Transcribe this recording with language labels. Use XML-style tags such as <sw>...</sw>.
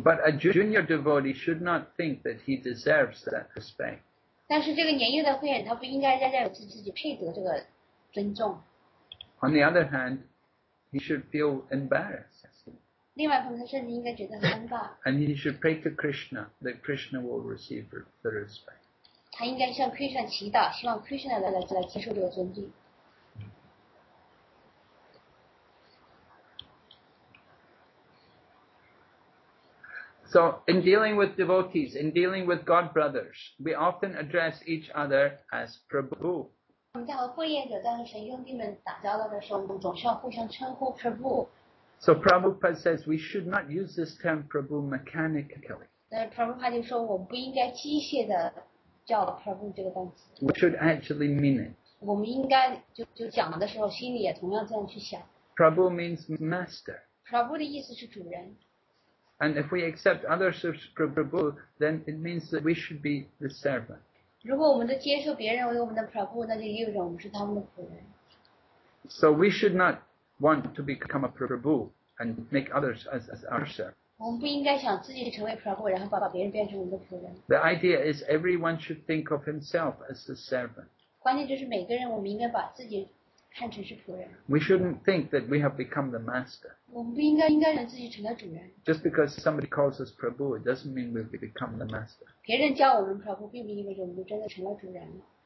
<en>But a junior devotee should not think that he deserves that respect.</en> <zh>但是这个年幼的奉献他不应该再有自己配得这个尊重。</zh> <en>On the other hand, he should feel embarrassed.</en> <zh>另外一方面，他甚至应该觉得很尴尬。</zh> <en>And he should pray to Krishna that Krishna will receive the respect.</en> <zh>他应该向 Krishna 祈祷，希望 Krishna 来接受这个尊敬。</zh> <en>So in dealing with devotees, in dealing with God brothers, we often address each other as Prabhu.</en> <zh>我们在和奉献者、在和神兄弟们打交道的时候，我们总是要互相称呼 Prabhu.</zh> <en>So Prabhupada says we should not use this term Prabhu mechanically.</en> <zh>那 Prabhupada 就说我们不应该机械的叫 Prabhu 这个单词。</zh> <en>We should actually mean it.</en> <zh>我们应该就讲的时候，心里也同样这样去想。</zh> <en>Prabhu means master.</en> <zh>Prabhu 的意思是主人。</zh> <en>And if we accept others as Prabhu, then it means that we should be the servant.</en> <zh>如果我们都接受别人为我们的 Prabhu, 那就意味着我们是他们的仆人。</zh> <en>So we should not want to become a Prabhu and make others as our servant.</en> <zh>我们不应该想自己成为 Prabhu, 然后把别人变成我们的仆人。</zh> <en>The idea is everyone should think of himself as the servant.</en> <zh>关键就是每个人我们应该把自己看成是仆人。</zh> <en>We shouldn't think that we have become the master.</en> <zh>我们不应该让自己成了主人。</zh> <en>Just because somebody calls us Prabhu, it doesn't mean we've become the master.</en> <zh>别人叫我们 Prabhu, 并不意味着我们真的成了主人了。</zh>